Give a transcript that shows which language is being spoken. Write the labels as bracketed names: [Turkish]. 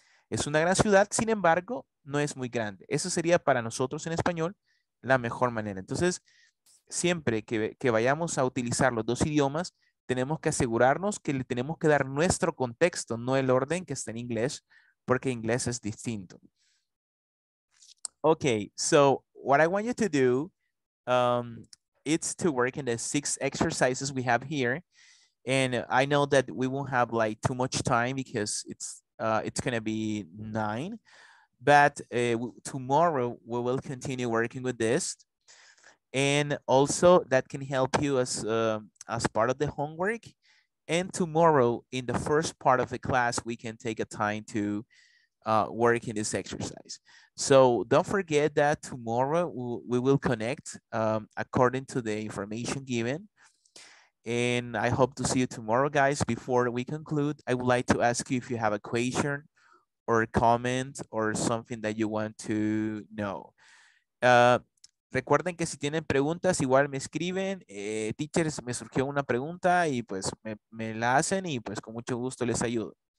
[Spanish] Es una gran ciudad, sin embargo, no es muy grande. Eso sería para nosotros en español la mejor manera. Entonces, siempre que vayamos a utilizar los dos idiomas, tenemos que asegurarnos que le tenemos que dar nuestro contexto, no el orden que está en inglés, porque inglés es distinto. [English] Okay, so what I want you to do, it's to work in the 6 exercises we have here. And I know that we won't have like too much time because it's going to be 9, but tomorrow we will continue working with this, and also that can help you as part of the homework. And tomorrow in the first part of the class we can take a time to work in this exercise. So don't forget that tomorrow we will connect according to the information given. And I hope to see you tomorrow, guys. Before we conclude, I would like to ask you if you have a question or a comment or something that you want to know. [Spanish] Recuerden que si tienen preguntas, igual me escriben. Teachers, me surgió una pregunta y pues me la hacen y pues con mucho gusto les ayudo.